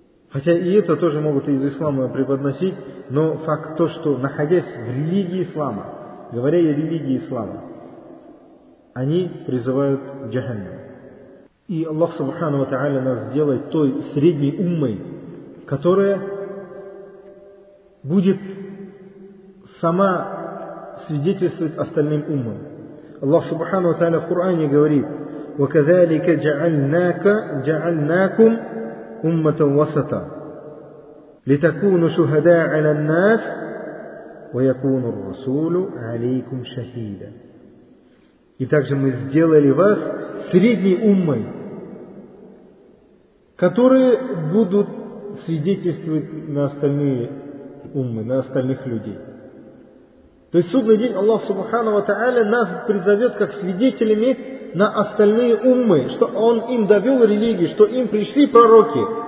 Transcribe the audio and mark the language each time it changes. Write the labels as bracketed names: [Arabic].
[Russian] Хотя и это тоже могут из ислама преподносить, но факт то, что находясь в религии ислама, говоря о религии ислама, они призывают к джахеннам. И Аллах Субхану ва Тааля нас сделает той средней уммой, которая будет сама свидетельствовать остальным уммам. Аллах Субхану ва Тааля в Коране говорит: [Arabic] وَكَذَلِكَ جَعَلْنَاكُمْ أُمَّةً وَسَطًا لِتَكُونُ شُهَدَاءَ عَلَى النَّاسِ وَيَكُونُ الرَّسُولُ عَلَيْكُمْ شَهِيدًا. [Russian] И также мы сделали вас средней уммой, которые будут свидетельствовать на остальные уммы, на остальных людей. То есть судный день Аллах Субхану ва Тааля нас призовет как свидетелями на остальные уммы, что Он им довел религии, что им пришли пророки.